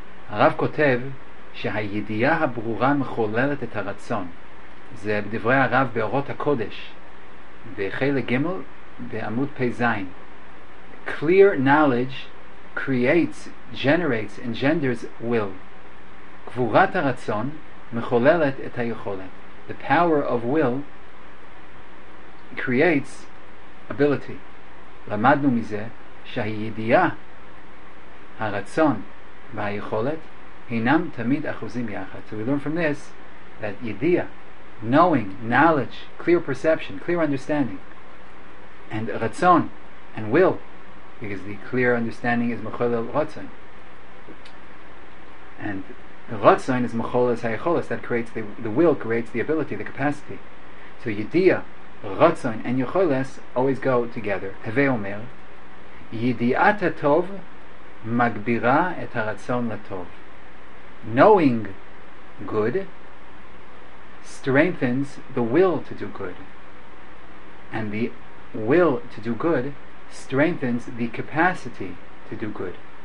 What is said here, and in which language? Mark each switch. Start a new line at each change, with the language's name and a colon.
Hebrew: הרב כותב שהידיעה הברורה מחוללת את הרצון. זה בדברי הרב באורות הקודש בחלק ג' בעמוד פי זין.
English: Clear knowledge creates, generates, engenders will.
Hebrew: גבורת הרצון מחוללת את היכולת.
English: The power of will creates ability.
Hebrew: למדנו מזה שהידיעה הרצון והיכולת הינם תמיד אחוזים יחד.
English: So we learn from this that idea, knowing, knowledge, clear perception, clear understanding, and רצון, and will, because the clear understanding is
Hebrew: מחולל רצון.
English: And the רצון is
Hebrew: מחולל היכולת,
English: that creates the will, creates the ability, the capacity. So idea, רצון, and יכולת always go together.
Hebrew: הווה אומר, ידיעת הטוב מגבירה את הרצון לטוב.
English: Knowing good strengthens the will to do good, and the will to do good strengthens the capacity to do good.